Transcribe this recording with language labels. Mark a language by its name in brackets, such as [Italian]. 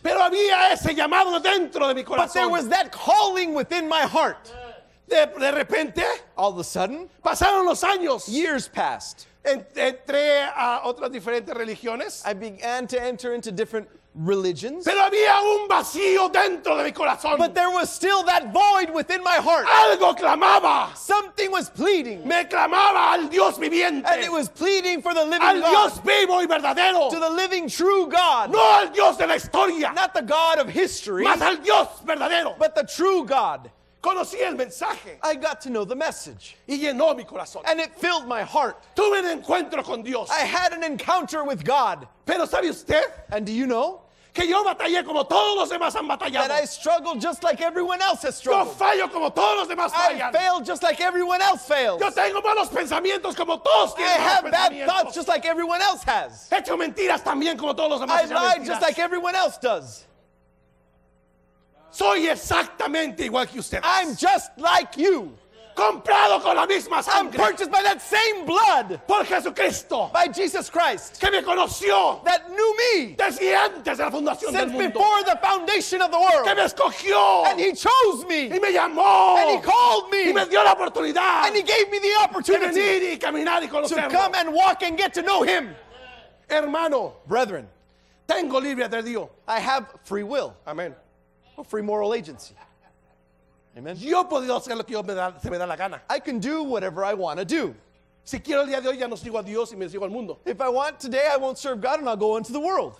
[Spanish] Pero había ese llamado dentro de mi corazón. [English] But there was that calling within my heart. [Spanish] De repente, [English] all of a sudden, [Spanish] pasaron los años. [English] Years passed. [Spanish] Entré a otras diferentes religiones. [English] I began to enter into different religions. [Spanish] Pero había un vacío dentro de mi corazón. [English] But there was still that void within my heart. [Spanish] Algo clamaba. [English] Something was pleading. [Spanish] Me clamaba al Dios viviente. [English] And it was pleading for the living [Spanish] al [English] God. [Spanish] Al Dios vivo y verdadero. [English] To the living true God. [Spanish] No al Dios de la historia. [English] Not the God of history. [Spanish] Mas al Dios verdadero. [English] But the true God. [Spanish] Conocí el mensaje. [English] I got to know the message. [Spanish] Y llenó mi corazón. [English] And it filled my heart. [Spanish] Tuve un encuentro con Dios. [English] I had an encounter with God. [Spanish] Pero sabe usted? [English] And do you know? [Spanish] Que yo batallé como todos los demás han batallado. [English] That I struggled just like everyone else has struggled. [Spanish] Yo fallo como todos los demás fallan. [English] I failed just like everyone else fails. [Spanish] Yo tengo malos pensamientos como todos tienen. [English] I have bad thoughts just like everyone else has. [Spanish] He hecho mentiras también como todos los demás. [English] I lied just like everyone else does. [Spanish] Soy exactamente igual que usted. [English] I'm just like you. [Spanish] Comprado con la misma sangre. [English] I'm purchased by that same blood. [Spanish] Por Jesucristo. [English] By Jesus Christ. [Spanish] Que me conoció. [English] That knew me. [Spanish] Desde antes de la fundación [English] since [Spanish] del mundo. [English] Before the foundation of the world. [Spanish] Que me escogió. [English] And he chose me. [Spanish] Y me llamó. [English] And he called me. [Spanish] Y me dio la oportunidad. [English] And he gave me the opportunity. [Spanish] De venir y caminar y conocerlo. [English] To come and walk and get to know him. [Spanish] Hermano. [English] Brethren. [Spanish] Tengo libre de Dios. [English] I have free will. [Spanish] Amen. [English] A free moral agency. Amen. [Spanish] Yo puedo hacer lo que me da, se me da la gana. [English] I can do whatever I want to do. [Spanish] Si quiero el día de hoy ya no sigo a Dios y me sigo al mundo. [English] If I want today I won't serve God and I'll go into the world.